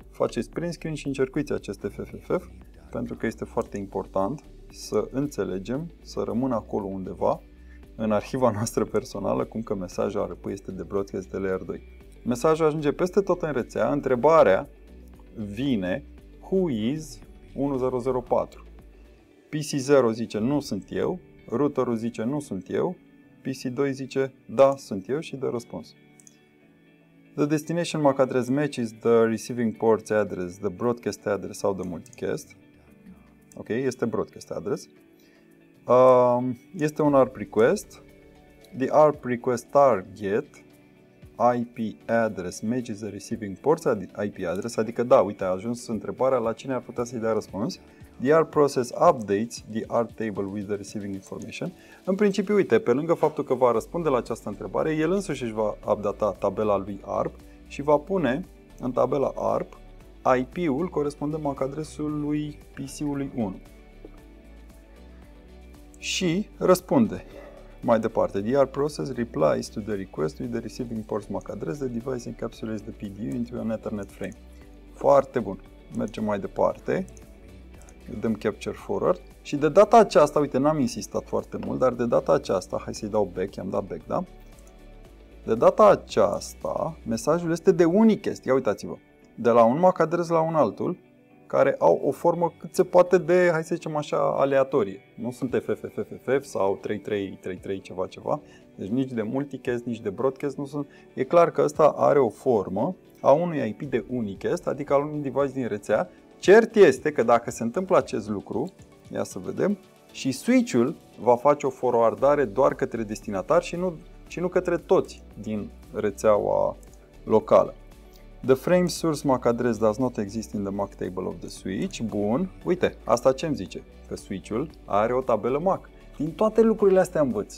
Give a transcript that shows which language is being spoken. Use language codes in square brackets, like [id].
[ro] Faceți print screen și încercuiți acest FFFF, pentru că este foarte important să înțelegem, să rămână acolo undeva, în arhiva noastră personală, cum că mesajul ARP este de broadcast de layer 2. Mesajul ajunge peste tot în rețea, întrebarea vine, [en] who is 1004? [ro] PC0 zice, nu sunt eu, routerul zice, nu sunt eu, PC2 zice, da, sunt eu și dă răspuns. [en] The destination MAC address matches the receiving port's address, the broadcast address sau the multicast. [ro] Ok, este broadcast address. Este un ARP request. [en] The ARP request target IP address matches the receiving port's IP address. [ro] Adică da, uite, a ajuns întrebarea la cine ar putea să-i dea răspuns. [en] The ARP process updates the ARP table with the receiving information. [ro] În principiu, uite, pe lângă faptul că va răspunde la această întrebare, el însuși își va updata tabela lui ARP și va pune în tabela ARP IP-ul corespundent MAC adresului PC-ului 1. Și răspunde mai departe. [en] The ARP process replies to the request with the receiving port MAC address. The device encapsulates the PDU into an Ethernet frame. [ro] Foarte bun. Mergem mai departe. Dăm capture forward și de data aceasta, uite, n-am insistat foarte mult, dar de data aceasta, hai să-i dau back, i-am dat back, da? De data aceasta, mesajul este de unicast, ia uitați-vă, de la un MAC adres la un altul, care au o formă cât se poate de, hai să zicem așa, aleatorie. Nu sunt FFFFF sau 3333 ceva ceva, deci nici de multicast, nici de broadcast nu sunt. E clar că ăsta are o formă a unui IP de unicast, adică al unui device din rețea. Cert este că dacă se întâmplă acest lucru, ia să vedem, și switch-ul va face o forwardare doar către destinatar și nu către toți din rețeaua locală. [en] The frame source MAC address does not exist in the MAC table of the switch. [ro] Bun, uite, asta ce-mi zice? Că switch-ul are o tabelă MAC. Din toate lucrurile astea învăț.